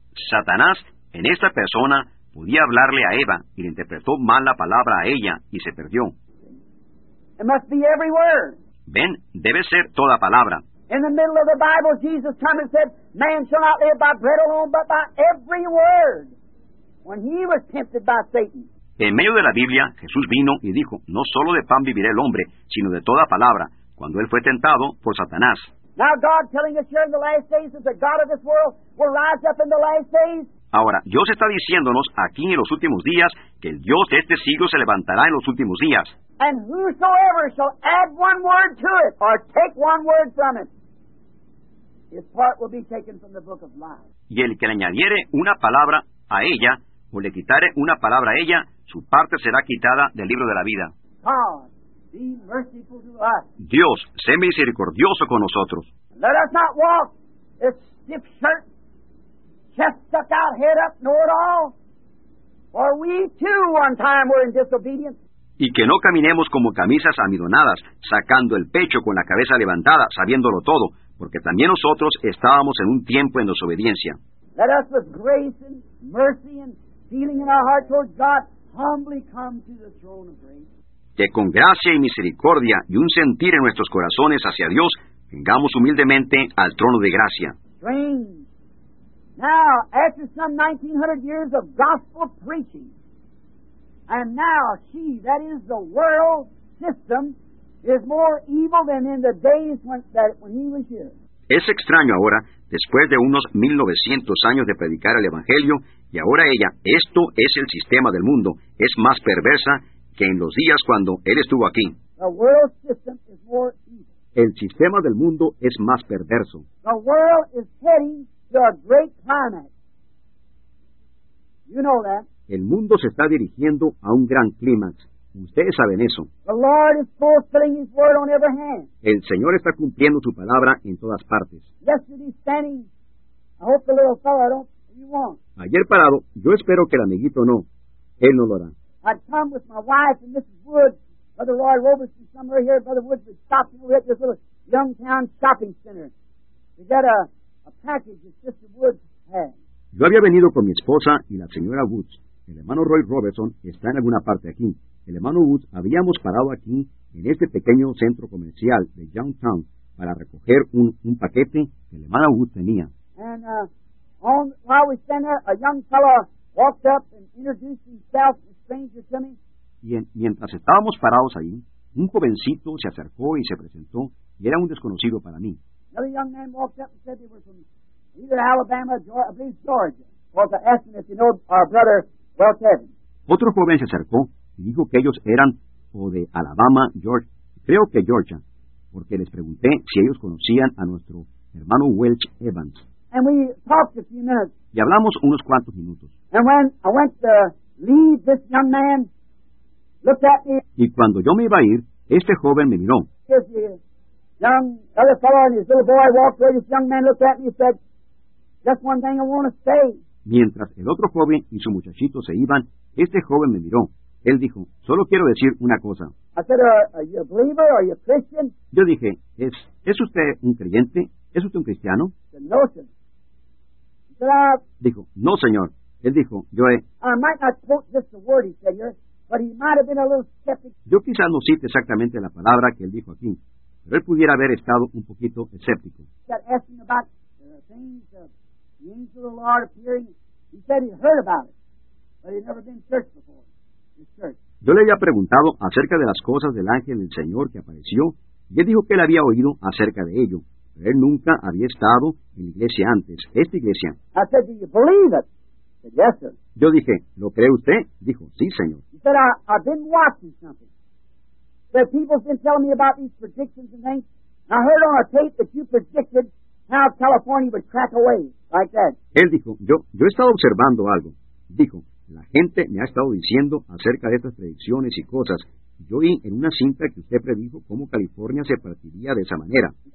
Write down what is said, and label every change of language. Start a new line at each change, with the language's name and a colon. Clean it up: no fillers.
Spanish: Satanás, en esta persona, podía hablarle a Eva y le interpretó mal la palabra a ella y se perdió.
English: It must be every word.
Spanish: Ven, debe ser toda palabra.
English: In the middle of the Bible, Jesus came and said, man shall not live by bread alone, but by every word. When he was tempted by Satan.
Spanish: En medio de la Biblia, Jesús vino y dijo, no solo de pan vivirá el hombre, sino de toda palabra, cuando él fue tentado por Satanás.
English: Now God telling us here in the last days that the God of this world will rise up in the last days.
Spanish: Ahora, Dios está diciéndonos aquí en los últimos días que el Dios de este siglo se levantará en los últimos días.
English: And whosoever shall add one word to it or take one word from it, his part will be taken from the book of life.
Spanish: Y el que le añadiere una palabra a ella o le quitare una palabra a ella, su parte será quitada del libro de la vida.
English: God. Be merciful to us.
Spanish: Dios, sé misericordioso con nosotros.
English: Let us not walk a stiff shirt, chest stuck out, head up, nor at all. For we too one time were in disobedience.
Spanish: Y que no caminemos como camisas amidonadas, sacando el pecho con la cabeza levantada, sabiéndolo todo, porque también nosotros estábamos en un tiempo en desobediencia.
English: Let us with grace and mercy and feeling in our heart towards God humbly come to the throne of grace.
Spanish: Que con gracia y misericordia y un sentir en nuestros corazones hacia Dios, vengamos humildemente al trono de gracia.
English: Now, after some 1900 years of gospel preaching, and now she, that is the world system, is more evil than in the days when he was here.
Spanish: Es extraño ahora, después de unos 1900 años de predicar el Evangelio, y ahora ella, esto es el sistema del mundo, es más perversa que en los días cuando él estuvo aquí.
English: The world system is more evil.
Spanish: El sistema del mundo es más perverso.
English: The world is heading to a great climax. You know that.
Spanish: El mundo se está dirigiendo a un gran clímax. Ustedes saben eso.
English: The Lord is fulfilling his word on every hand.
Spanish: El Señor está cumpliendo su palabra en todas partes.
English: Yesterday standing, I hope the little fellow don't, you won't.
Spanish: Ayer parado, yo espero que el amiguito no. Él no lo hará.
English: I'd come with my wife and Mrs. Woods, Brother Roy Robeson, somewhere here. Brother Woods would stop over at this little young town shopping center to get a package that Sister Woods had.
Spanish: Yo había venido con mi esposa y la señora Woods. El hermano Roy Robeson está en alguna parte aquí. El hermano Woods habíamos parado aquí en este pequeño centro comercial de Young Town para recoger un paquete que el hermano Woods tenía.
English: And while we stand there, a young fellow walked up and introduced himself. stranger to me?
Spanish: Y mientras estábamos parados ahí, un jovencito se acercó y se presentó, y era un desconocido para mí.
English: Another young man walked up and said they were from either Alabama or at least Georgia. Of course, I asked him if he knew our brother, well, Kevin.
Spanish: Otro joven se acercó y dijo que ellos eran o de Alabama, George, creo que Georgia, porque les pregunté si ellos conocían a nuestro hermano Welch Evans.
English: And we talked a few minutes.
Spanish: Y hablamos unos cuantos minutos.
English: And when I went to leave, this young man looked at me.
Spanish: Y cuando yo me iba a ir, este joven me miró.
English: This young other fellow and his little boy walked away. This young man looked at me and said, "Just one thing I want to say."
Spanish: Mientras el otro joven y su muchachito se iban, este joven me miró. Él dijo, solo quiero decir una cosa.
English: I said, are you a believer? Are you a Christian?
Spanish: Yo dije, ¿es usted un creyente? ¿Es usted un cristiano? No, señor. Dijo, no, señor. Él dijo, yo he...
English: I might not quote just the word he said here, but he might have been a little skeptical.
Spanish: Yo quizás no cite exactamente la palabra que él dijo aquí, pero él pudiera haber estado un poquito escéptico.
English: He got asking about the things of the angel of the Lord appearing. He said he heard about it, but he'd never been to church before.
Spanish: Yo le había preguntado acerca de las cosas del ángel del Señor que apareció, y él dijo que él había oído acerca de ello, pero él nunca había estado en la iglesia antes, esta iglesia.
English: I said, do you believe it? I said, yes, sir.
Spanish: Yo dije, ¿lo cree usted? Dijo, sí, señor.
English: He said, I've been watching something. The people's been telling me about these predictions and things. I heard on a tape that you predicted how California would crack away like that.
Spanish: Él dijo, yo he estado observando algo. Dijo, la gente me ha estado diciendo acerca de estas predicciones y cosas. Yo vi en una cinta que usted predijo cómo California se partiría de esa manera.